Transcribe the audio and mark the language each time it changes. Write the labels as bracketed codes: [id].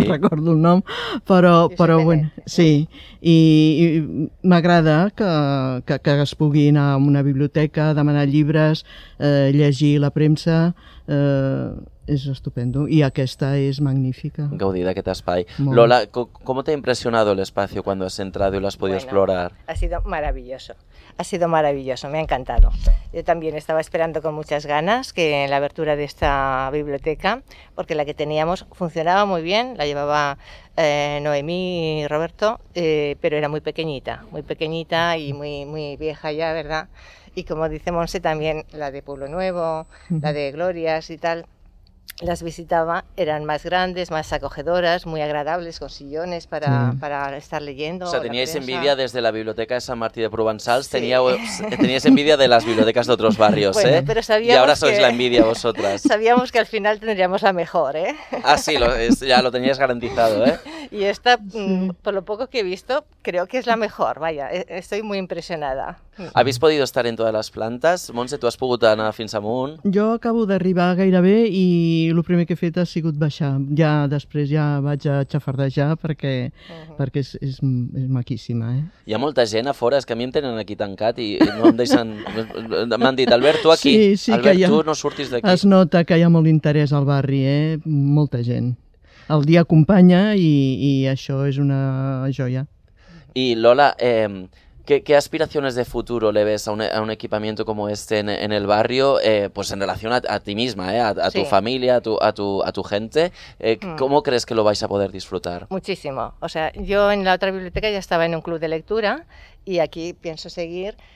[ca] Me'n recordo el nom, però bueno, sí, i m'agrada que es pugui anar a una biblioteca, demanar llibres, llegir la premsa, és estupendo, i aquesta és magnífica. Gaudir d'aquest espai. Molt. [es] Lola, ¿cómo te ha impresionado el espacio cuando has entrado y lo has podido explorar? Ha sido maravilloso. Ha sido maravilloso, me ha encantado. Yo también estaba esperando con muchas ganas que la apertura de esta biblioteca, porque la que teníamos funcionaba muy bien, la llevaba Noemí y Roberto, pero era muy pequeñita y muy, muy vieja ya, ¿verdad? Y como dice Montse, también la de Pueblo Nuevo, la de Glorias y tal, las visitaba, eran más grandes, más acogedoras, muy agradables, con sillones para estar leyendo. O sea, teníais envidia desde la biblioteca de San Martí de Provençals, sí. teníais envidia de las bibliotecas de otros barrios, bueno, ¿eh? Pero sabíamos y ahora sois que... la envidia vosotras. Sabíamos que al final tendríamos la mejor, ¿eh? Ah, sí, ya lo teníais garantizado, ¿eh? Y esta, por lo poco que he visto, creo que es la mejor, vaya, estoy muy impresionada. ¿Habéis podido estar en todas las plantas? [ca] Montse, tú has pogut anar fins amunt. Jo acabo d'arribar gairebé i el primer que he fet ha sigut baixar. Ja després ja vaig a xafardejar perquè, perquè és maquíssima. Hi ha molta gent a fora, és que a mi em tenen aquí tancat i no em deixen... M'han dit, Albert, tu aquí. Sí, Albert, tu no surtis d'aquí. Es nota que hi ha molt interès al barri, eh? Molta gent. El dia acompanya i això és una joia. I Lola... [es] ¿Qué aspiraciones de futuro le ves a un equipamiento como este en el barrio, pues en relación a ti misma, a sí. tu familia, a tu gente? ¿Cómo crees que lo vais a poder disfrutar? Muchísimo. O sea, yo en la otra biblioteca ya estaba en un club de lectura y aquí pienso seguir.